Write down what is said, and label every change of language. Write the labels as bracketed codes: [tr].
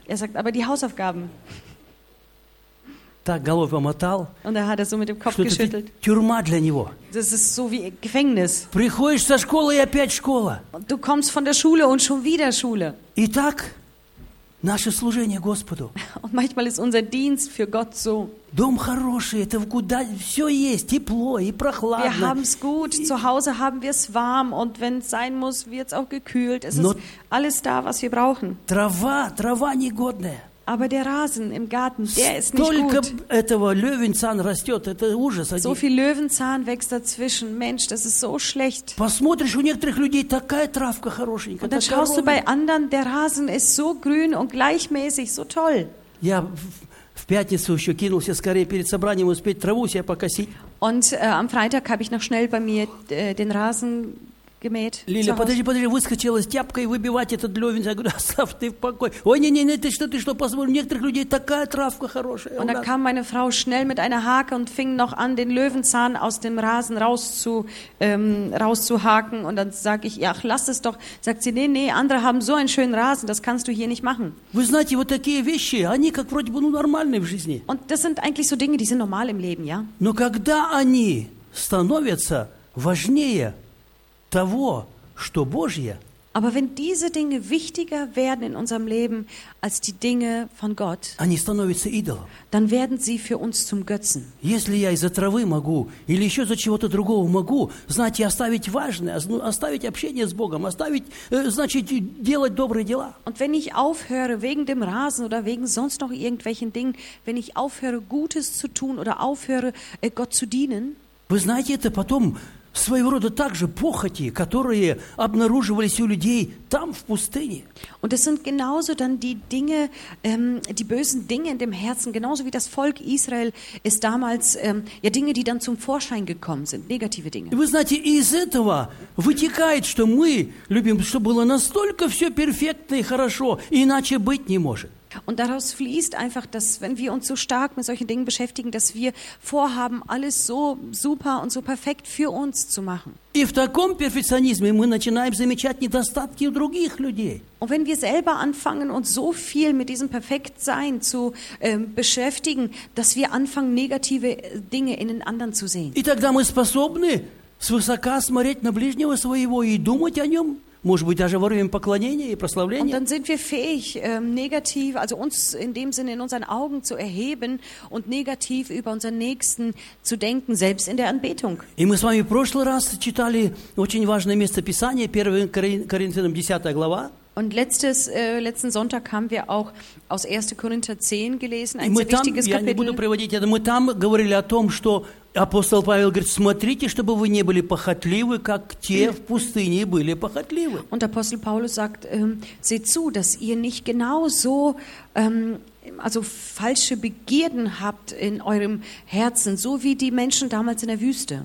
[de] Er sagt, aber die Hausaufgaben. [ru] Так головой помотал. [de] Und er hat das so mit dem Kopf geschüttelt. [ru] Тюрьма для него. [de] Das ist so wie Gefängnis. [ru] Приходишь со школы и опять школа. [de] Du kommst von der Schule und schon wieder Schule. [ru] И так наше служение Господу. [de] Und manchmal ist unser Dienst für Gott so. [ru] Дом хороший, это куда все есть, тепло и прохладно. [de] Wir haben es gut, zu Hause haben wir es warm, und wenn es sein muss, wird es auch gekühlt. Es ist alles da, was wir brauchen. [ru] Трава негодная. [de] Aber der Rasen im Garten, der ist nicht gut. [ru] Столько этого Löwenzahn растет, это ужас. [de] So viel Löwenzahn wächst dazwischen, Mensch, das ist so schlecht. [ru] Посмотришь, у некоторых людей такая травка хорошенькая. [de] Und dann schaust du bei anderen, der Rasen ist so grün und gleichmäßig, so toll. Ja. [ru] В пятницу еще кинулся скорее перед собранием успеть траву себе покосить. [de] Und am Freitag habe ich noch schnell bei mir den Rasen gemäht. [ru] Лиля, подожди, выскочила с тяпкой выбивать этот лёвень. Я говорю, оставь ты в покое. Ой, не, ты что, посмотри, у некоторых людей такая травка хорошая. [de] Und dann kam meine Frau schnell mit einer Hake und fing noch an, den Löwenzahn aus dem Rasen rauszuhaken. Und dann sage ich, ach, lass es doch. Sagt sie, nee, andere haben so einen schönen Rasen, das kannst du hier nicht machen. [ru] Вы знаете, вот такие вещи, они как вроде бы нормальные в жизни. [de] Und das sind eigentlich so Dinge, die sind normal im Leben, ja? [ru] Но когда они становятся важнее того, что Божье. [de] Aber wenn diese Dinge wichtiger werden in unserem Leben als die Dinge von Gott, [ru] они становятся идолом. [de] Dann werden sie für uns zum Götzen. [ru] Если я из-за травы могу или еще из-за чего-то другого могу, знаете, оставить важное, оставить общение с Богом, оставить, значит, делать добрые дела. [de] Und wenn ich aufhöre wegen dem Rasen oder wegen sonst noch irgendwelchen Dingen, wenn ich aufhöre Gutes zu tun oder aufhöre Gott zu dienen, [ru] вы знаете, это потом своего рода также похоти, которые обнаруживались у людей там, в пустыне. [de] Und es sind genauso dann die Dinge, die bösen Dinge in dem Herzen, genauso wie das Volk Israel ist damals, ja, Dinge, die dann zum Vorschein gekommen sind, negative Dinge. [ru] Вы знаете, из этого вытекает, что мы любим, чтобы было настолько все перфектно и хорошо, иначе быть не может. [de] Und daraus fließt einfach, dass wenn wir uns so stark mit solchen Dingen beschäftigen, dass wir vorhaben, alles so super und so perfekt für uns zu machen. [ru] И в таком перфекционизме мы начинаем замечать недостатки у других людей. [de] Und wenn wir selber anfangen, uns so viel mit diesem Perfektsein zu beschäftigen, dass wir anfangen, negative Dinge in den anderen zu sehen. [ru] И тогда мы способны свысока смотреть на ближнего своего и думать о нем. Может быть, даже во время поклонения и прославления. [de] Und dann sind wir fähig, negativ, also uns in dem Sinne in unseren Augen zu erheben und negativ über unseren Nächsten zu denken, selbst in der Anbetung. [ru] И мы с вами в прошлый раз читали очень важное место Писания, 1 Коринфянам 10 глава. [de] Und letzten Sonntag haben wir auch aus 1. Korinther 10 gelesen, ein sehr wichtiges Kapitel. [ru] Я не буду приводить это. Мы там говорили о том, что апостол Павел говорит, смотрите, чтобы вы не были похотливы, как те в пустыне были похотливы. [de] Und Apostel Paulus sagt, seht zu, dass ihr nicht genauso, also falsche Begierden habt in eurem Herzen, so wie die Menschen damals in der Wüste.